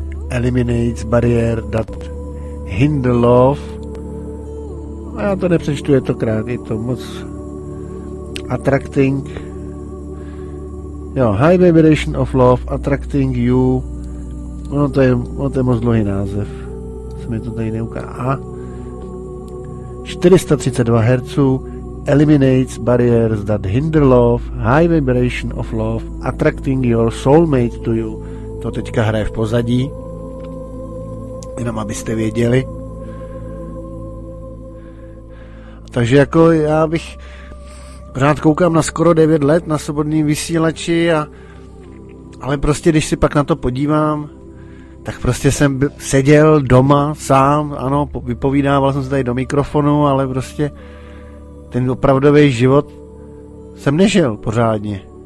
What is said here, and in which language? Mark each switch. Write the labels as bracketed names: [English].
[English] Eliminates barrier that hinder love. [Czech] A já to nepřečtu, je to krát, je to moc attracting. [English] Jo, high vibration of love attracting you. [Czech] Ono to je, moc dlouhý název. Se mi to tady neuká. A [English] 432 Hz eliminates barriers that hinder love. High vibration of love attracting your soulmate to you. [Czech] To teďka hraje v pozadí, jenom abyste věděli. Takže jako já bych rád koukám na skoro 9 let na svobodným vysílači, ale prostě když si pak na to podívám, tak prostě jsem seděl doma sám, ano, vypovídával jsem se tady do mikrofonu, ale prostě ten opravdový život jsem nežil pořádně.